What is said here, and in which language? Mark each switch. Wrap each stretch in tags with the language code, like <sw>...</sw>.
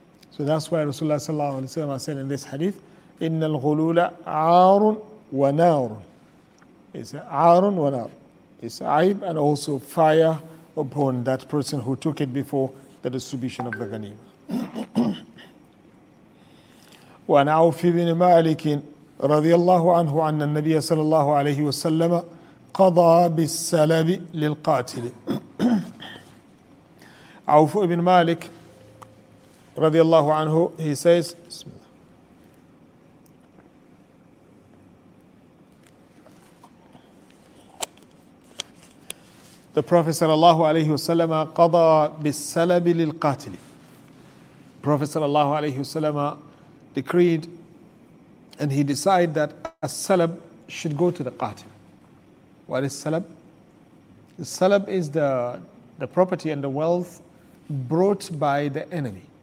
<en>So that's why Rasulullah sallallahu alaihi wasallam said in this hadith,</en> <ar>"Inna al-ghulula aarun wa naar."</ar> <en>It's</en> <ar>aarun wa naar.</ar> <en>It's aib and also fire upon that person who took it before the distribution of the ghanima.</en> <ar>Wa na'ufi bin Malikin رضي الله عنه أن النبي صلى الله عليه وسلم قضى بالسلب للقاتل. عوف بن مالك رضي الله عنه,</ar> <en>he says,</en> <ar>بسم الله. The Prophet صلى الله عليه وسلم قضى بالسلب للقاتل.</ar> <en>Prophet</en> <ar>صلى الله عليه وسلم</ar> <en>decreed and he decided that a salab should go to the qatil. What is salab? The salab is the property and the wealth brought by the enemy.</en>